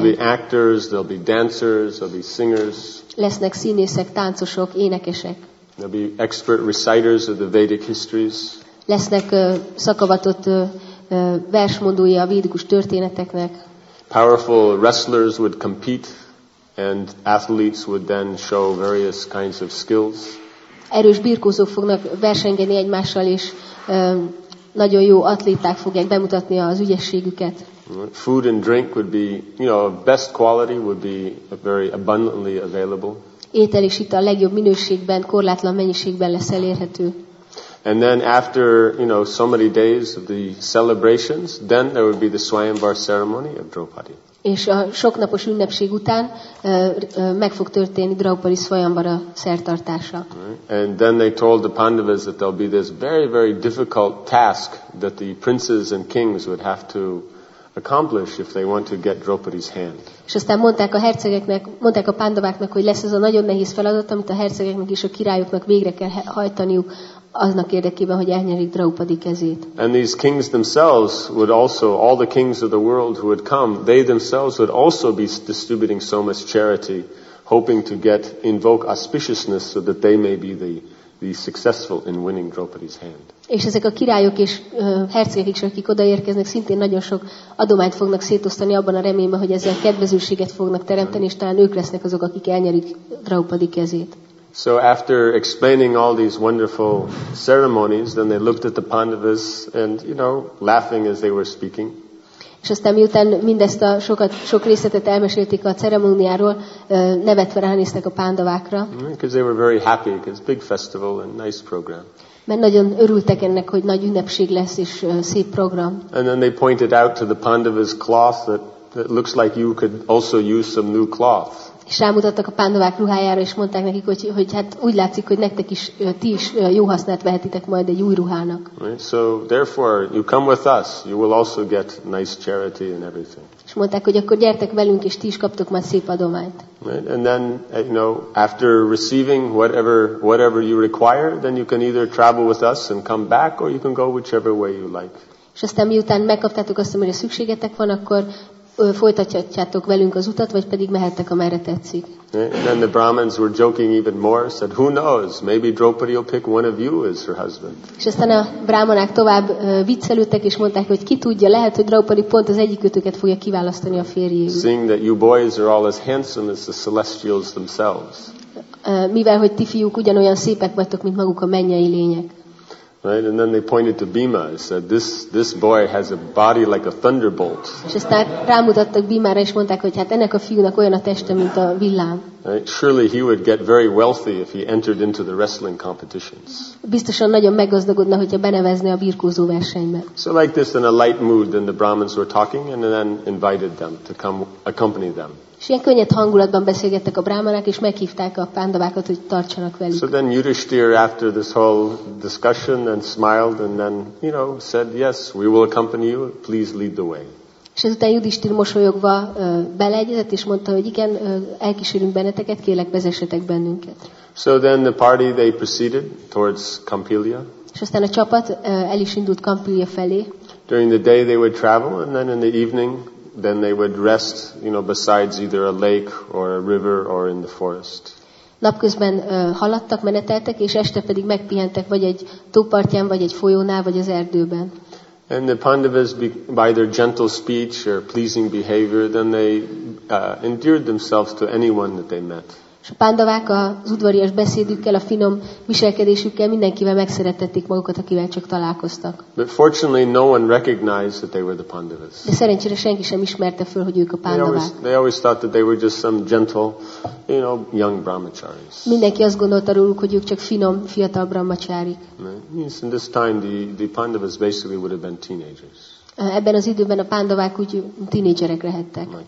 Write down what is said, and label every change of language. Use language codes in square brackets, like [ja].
[en] There'll be actors, there'll be dancers, there'll be singers. [hu] Lesznek színészek, táncosok, énekesek. [en] There'll be expert reciters of the Vedic histories. [hu] Lesznek szakavatott versmondói a védikus történeteknek. [en] Powerful wrestlers would compete, and athletes would then show various kinds of skills. [hu] Erős birkózók fognak versengeni egymással, és nagyon jó atléták fogják bemutatni az ügyességüket. [en] Food and drink would be, you know, best quality would be very abundantly available. [hu] Étel és ital a legjobb minőségben, korlátlan mennyiségben lesz elérhető. [en] And then after, you know, so many days of the celebrations, then there would be the Swayamvar ceremony of Draupadi. [hu] És a sok napos ünnepség után meg fog történni Draupadi Swayamvara szertartása. [en] And then they told the Pandavas that there'll be this very, very difficult task that the princes and kings would have to accomplish if they want to get Draupadi's hand. [hu] És aztán mondták a hercegeknek, mondták a pándováknak, hogy lesz ez a nagyon nehéz feladat, amit a hercegeknek és a királyoknak végre kell hajtaniuk aznak érdekében, hogy elnyerik Draupadi kezét. [en] And these kings themselves would also, all the kings of the world who would come, they themselves would also be distributing so much charity, hoping to get, invoke auspiciousness so that they may be the successful in winning Draupadi's hand. [hu] És ezek a királyok és hercegek is, akik odaérkeznek, szintén nagyon sok adományt fognak szétosztani abban a reményben, hogy ezzel kedvezőséget fognak teremteni, és talán ők lesznek azok, akik elnyerik Draupadi kezét. [en] So after explaining all these wonderful ceremonies, then they looked at the Pandavas and, you know, laughing as they were speaking. [hu] És aztán miután mindezt a sok részletet elmesélték a ceremóniáról, nevetve ránéztek a pándavákra. [en] Because they were very happy, because big festival and nice program. [hu] Mert nagyon örültek ennek, hogy nagy ünnepség lesz és szép program. [en] And then they pointed out to the Pandavas cloth that looks like you could also use some new cloth. [hu] És rámutattak a pándavák ruhájára, és mondták nekik, hogy hát úgy látszik, hogy nektek is, ti is jó hasznát vehetitek majd egy új ruhának. [en] So therefore, you come with us, you will also get nice charity and everything. [hu] És mondták, hogy akkor gyertek velünk, és ti is kaptok majd szép adományt. [en] And then, you know, after receiving whatever you require, then you can either travel with us and come back, or you can go whichever way you like. [hu] És aztán miután megkaptátok azt, amire szükségetek van, akkor folytatjátok velünk az utat, vagy pedig mehettek, amerre tetszik. [en] And then the Brahmins were joking even more, said, who knows, maybe Draupadi will pick one of you as her husband. [hu] És aztán a brahmanák tovább viccelődtek, és mondták, hogy ki tudja, lehet, hogy Draupadi pont az egyikötöket fogja kiválasztani a férjéül. [en] Seeing that you boys are all as handsome as the celestials themselves. [hu] Mivel, hogy ti fiúk ugyanolyan szépek vagytok, mint maguk a mennyei lények. [en] Right, and then they pointed to Bhima and said, "This boy has a body like a thunderbolt." [hu] És aztán rámutattak Bhimára, és mondták, hogy hát ennek a fiúnak olyan a teste, mint a villám. [en] Surely he would get very wealthy if he entered into the wrestling competitions. [hu] Biztosan nagyon meggazdagodna, hogyha benevezné a birkózó versenybe. [en] So like this, in a light mood, then the Brahmins were talking, and then invited them to come accompany them. [hu] És ilyen könnyed hangulatban beszélgettek a brámanák, és meghívták a pándavákat, hogy tartsanak velük. [en] So then Yudhishthir, after this whole discussion, and smiled, and then, you know, said, yes, we will accompany you, please lead the way. [hu] És ezután Yudhishthir mosolyogva beleegyezett, és mondta, hogy igen, elkísérünk benneteket, kérlek, vezessetek bennünket. [en] So then the party, they proceeded towards Kampilya. [hu] És aztán a csapat el is indult Kampilya felé. [en] During the day they would travel, and then in the evening, then they would rest, you know, besides either a lake or a river or in the forest. [hu] Napközben haladtak, meneteltek, és este pedig megpihentek vagy egy tópartján, vagy egy folyónál, vagy az erdőben. [en] And the Pandavas, by their gentle speech or pleasing behavior, then they endeared themselves to anyone that they met. [hu] És a pándavák az udvarias beszédükkel, a finom viselkedésükkel mindenkivel megszerettették magukat, akivel csak találkoztak. [en] But fortunately no one recognized that they were the Pandavas. [hu] De szerencsére senki sem ismerte föl, hogy ők a pándavák. [en] They always thought that they were just some gentle, you know, young brahmacharis. [hu] Mindenki azt gondolta róluk, hogy ők csak finom, fiatal brahmacharik. [en] Means in this time the Pandavas basically would have been teenagers. [hu] Ebben az időben a pándavák úgy tínédzserek lehettek.